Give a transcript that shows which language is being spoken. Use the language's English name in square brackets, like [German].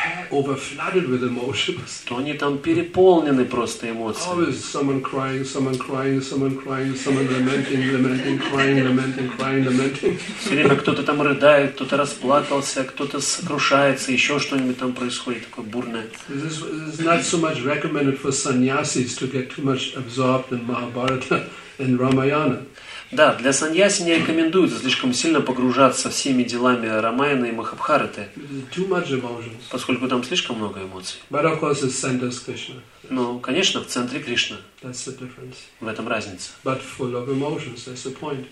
[English] overflooded with emotions. [Russian] То они там переполнены просто эмоциями. [English] Always someone crying, someone crying, someone crying, someone lamenting, lamenting, crying, lamenting, crying, lamenting. [Russian] Все время кто-то там рыдает, кто-то расплакался, кто-то сокрушается, еще что-нибудь там происходит такое бурное. [English] It's not so much recommended for sannyasis to get too much absorbed in Mahabharata and Ramayana. [Russian] Да, для саньяси не рекомендуют слишком сильно погружаться всеми делами Рамаяны и Махабхараты, поскольку там слишком много эмоций. [English] But of course it's center is Krishna. [Russian] Но, конечно, в центре Кришна. [English] That's the difference. [Russian] В этом разница. [English] But full of emotions, that's the point.